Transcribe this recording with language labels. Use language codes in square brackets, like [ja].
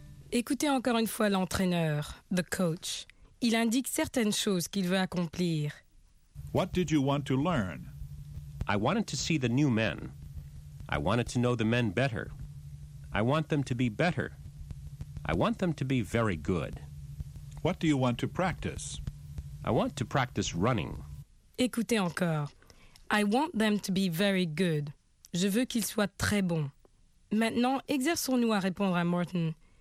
[fr] Écoutez encore une fois l'entraîneur, the coach. Il indique certaines choses qu'il veut accomplir. [en] What did you want to learn? I wanted to see the new men. I wanted to know the men better. I want them to be better. I want them to be very good. What do you want to practice? I want to practice running. [fr] Écoutez encore. [en] I want them to be very good. [fr] Je veux qu'ils soient très bons. Maintenant, exerçons-nous à répondre à Morton.